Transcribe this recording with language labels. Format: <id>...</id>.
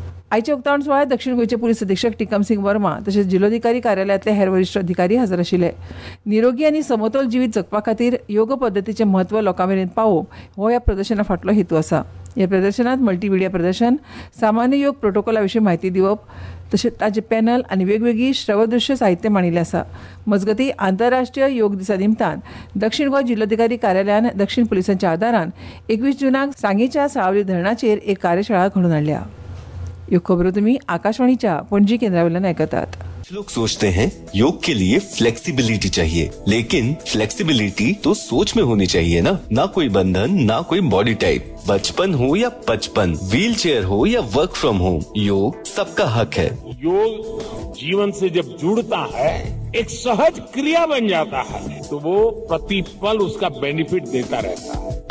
<gom>आयच्या उक्तावण सुवाळ्यात दक्षिण गोंयचे पुलीस अधीक्षक टिकम सिंग वर्मा तशेंच जिल्लोधिकारी कार्यालयांतले हेर वरिश्ठ अधिकारी हजर आशिल्ले. निरोगी आनी समतोल जिवीत जगपा खातीर योग पद्दतीचें म्हत्व लोकां मेरेन पावोवप हो ह्या प्रदर्शना फाटलो हेतू आसा. ह्या प्रदर्शनांत मल्टीमिडिया प्रदर्शन, सामान्य योग प्रोटोकॉला विशीं माहिती दिवप तशेंच ताचे पॅनल आनी वेगवेगळी श्रवदृश्य साहित्य मांडिल्लें आसा. मजगतीं आंतरराष्ट्रीय योग दिसा निमतान दक्षिण गोंय जिल्लोधिकारी कार्यालयान दक्षिण पुलिसांच्या आदारान 21 जूनाक सांगेच्या सावली धरणाचेर एक कार्यशाळा घडोवन हाडल्या. ह्यो खबरो तुम्ही आकाशवाणीच्या पणजी केंद्रावेल्यान आयकतात.</gom> <hi>कुछ लोग सोचते हैं योग के लिए फ्लेक्सिबिलिटी चाहिए, लेकिन फ्लेक्सिबिलिटी तो सोच में होनी चाहिए ना, ना कोई बंधन ना कोई बॉडी टाइप। बचपन हो या पचपन, व्हीलचेयर हो या वर्क फ्रॉम होम, योग सबका हक है। योग जीवन से जब जुड़ता है, एक सहज क्रिया बन जाता है, तो वो प्रति पल उसका बेनिफिट देता रहता है।</hi>